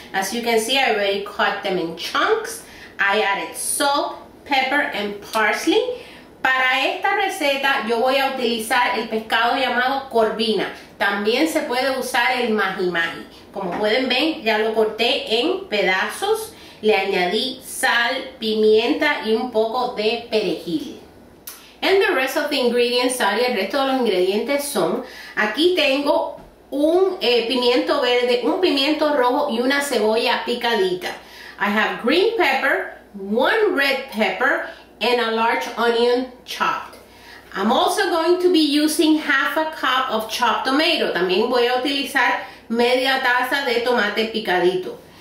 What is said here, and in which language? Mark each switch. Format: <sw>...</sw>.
<en>As you can see, I already cut them in chunks. I added salt, pepper, and parsley.</en> <es>Para esta receta, yo voy a utilizar el pescado llamado corbina. También se puede usar el mahi-mahi. Como pueden ver, ya lo corté en pedazos. Le añadí sal, pimienta y un poco de perejil.</es> <en>And the rest of the ingredients are,</en> <es>el resto de los ingredientes son, aquí tengo un pimiento verde, un pimiento rojo y una cebolla picadita.</es> <en>I have green pepper, one red pepper, and a large onion chopped. I'm also going to be using 1/2 cup of chopped tomato.</en> <es>También voy a utilizar media taza de tomate picadito.</es>